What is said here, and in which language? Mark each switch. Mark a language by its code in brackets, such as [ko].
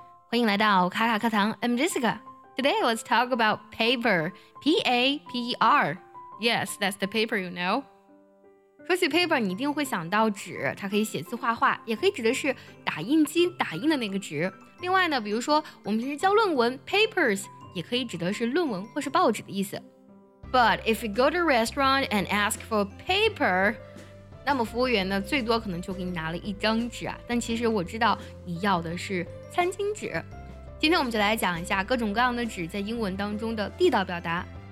[zh] 欢迎来到卡卡课堂 [en] I'm Jessica. Today, let's talk about paper. P-A-P-E-R. Yes, that's the paper, you know. [zh] 说起 paper, 你一定会想到纸，它可以写字画画，也可以指的是打印机打印的那个纸。另外呢，比如说我们平时教论文 papers 也可以指的是论文或是报纸的意思。 [en] But if you go to a restaurant and ask for paper, [zh] 那么服务员呢，最多可能就给你拿了一张纸啊。但其实我知道你要的是餐巾纸。今天我们就来讲一下各种各样的纸在英文当中的地道表达。